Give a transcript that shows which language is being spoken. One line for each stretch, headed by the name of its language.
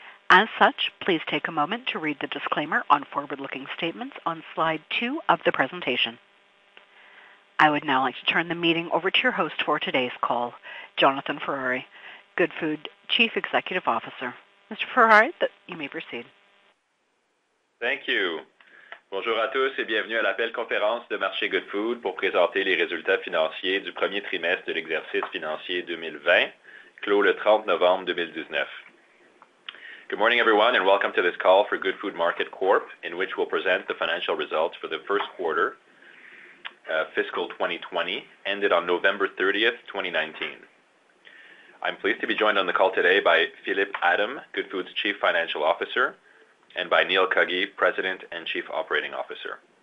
English: As such, please take a moment to read the disclaimer on forward-looking statements on slide 2 of the presentation. I would now like to turn the meeting over to your host for today's call, Jonathan Ferrari, Good Food Chief Executive Officer. Mr. Ferrari, you may proceed. Thank you.
French: Bonjour à tous et bienvenue à l'appel conférence de marché Good Food pour présenter les résultats financiers du premier trimestre de l'exercice financier 2020, clos le 30 novembre 2019.
English: Good morning, everyone, and welcome to this call for Good Food Market Corp, in which we'll present the financial results for the first quarter, fiscal 2020, ended on November 30th, 2019. I'm pleased to be joined on the call today by Philippe Adam, Good Food's Chief Financial Officer, and by Neil Cuggy, President and Chief Operating Officer.